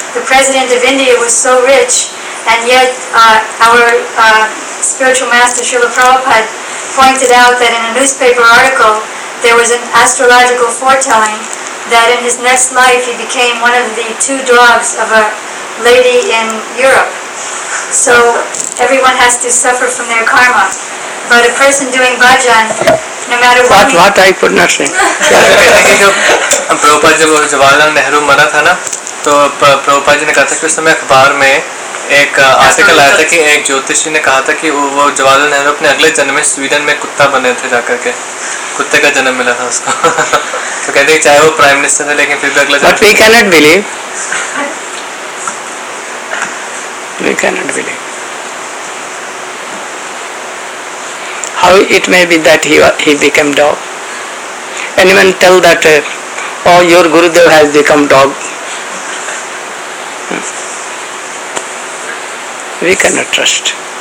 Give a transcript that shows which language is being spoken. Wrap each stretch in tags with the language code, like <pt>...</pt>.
<en>The president of India was so rich, and yet our spiritual master Srila Prabhupada pointed out that in a newspaper article there was an astrological foretelling that in his next life he became one of the two dogs of a lady in Europe. So everyone has to suffer from their karma. But a person doing bhajan, no matter what... What I could not say.</en> <hi>Prabhupada जब जवाहरलाल नेहरू मरा था ना तो प्रभुपाद जी ने कहा था कि उस समय अखबार में एक आर्टिकल आया था कि एक ज्योतिषी ने कहा था कि वो जवाहरलाल नेहरू अपने अगले जन्म में स्वीडन में कुत्ता बने थे जाकर के कुत्ते का जन्म मिला था उसको तो कहते हैं चाहे वो प्राइम मिनिस्टर है लेकिन फिर भी अगले जन्म</hi> <en>we cannot believe how it may be that he became dog anyone tell that oh your gurudev has become dog We cannot trust.</en>